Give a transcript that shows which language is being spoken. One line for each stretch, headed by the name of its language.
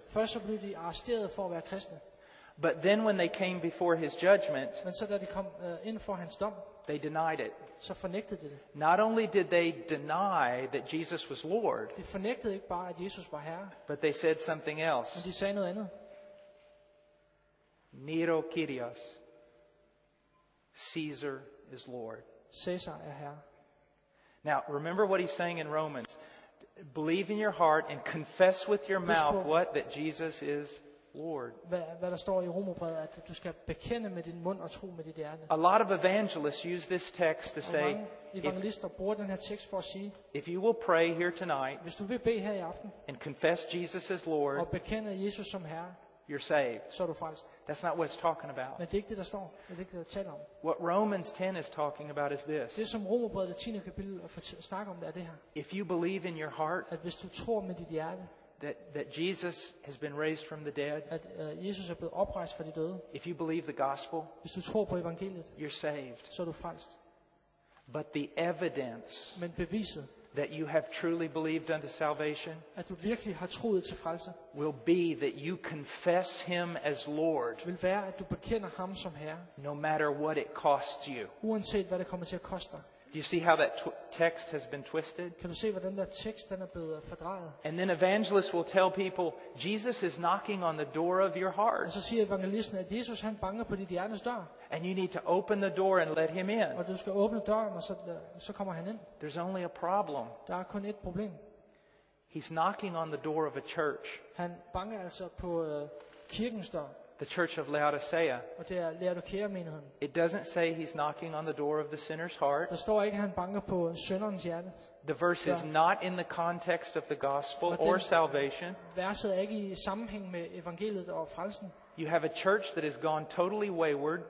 Danish: Først så blev de arresteret for at være kristne.
English: But then when they came before his judgment,
Danish: men så da de kom ind for hans dom,
English: they denied it.
Danish: Så fornægtede de det.
English: Not only did they deny that Jesus was Lord,
Danish: de fornægtede ikke bare at Jesus var herre,
English: but they said something else.
Danish: Men de sagde noget andet.
English: Nero Kyrios. Caesar is Lord.
Danish: Caesar er herre.
English: Now, remember what he's saying in Romans. Believe in your heart and confess with your mouth what that Jesus is Lord.
Danish: Hvad der står i Romerbrevet, at du skal bekende med din mund og tro med dit hjerte.
English: A lot of evangelists use this text to say,
Danish: evangelister bruger den her tekst for at sige,
English: if you will pray here tonight,
Danish: hvis du vil bede her i aften,
English: and confess Jesus as Lord,
Danish: og bekende Jesus som herre,
English: you're saved.
Danish: Så er du frelst.
English: That's not what it's talking about.
Danish: Men det er ikke det der står. Det er ikke det der taler om.
English: What Romans 10 is talking about is this.
Danish: Det som Romerbrevet 10. kapitel snakker om, det er det her.
English: If you believe in your heart,
Danish: at hvis du tror med dit hjerte,
English: that Jesus has been raised from the dead,
Danish: at Jesus er blevet oprejst fra de døde,
English: if you believe the gospel,
Danish: hvis du tror på evangeliet,
English: you're saved.
Danish: Så er du frelst.
English: But the evidence,
Danish: men beviset,
English: that you have truly believed unto salvation,
Danish: at du virkelig har troet til frelse,
English: will be that you confess him as Lord,
Danish: vil være at du bekender ham som herre,
English: no matter what it costs you,
Danish: uanset hvad det kommer til at koste.
English: Do you see how that text has been twisted?
Danish: Kan du se hvordan der tekst den er blevet fordrejet?
English: And then evangelists will tell people Jesus is knocking on the door of your heart.
Danish: Og så siger evangelisten at Jesus han banker på dit hjertes dør.
English: And you need to open the door and let him in.
Danish: Og du skal åbne døren og så kommer han ind.
English: There's only a problem.
Danish: Der er kun et problem.
English: He's knocking on the door of a church.
Danish: Han banker altså på kirkens dør.
English: The church of Laodicea.
Danish: Og det er Laodicea-menigheden.
English: It doesn't say he's knocking on the door of the sinner's heart.
Danish: Der står ikke, at han banker på synderens hjerte.
English: The verse is not in the context of the gospel or salvation.
Danish: Verset er ikke i sammenhæng med evangeliet og frelsen.
English: You have a church that has gone totally wayward.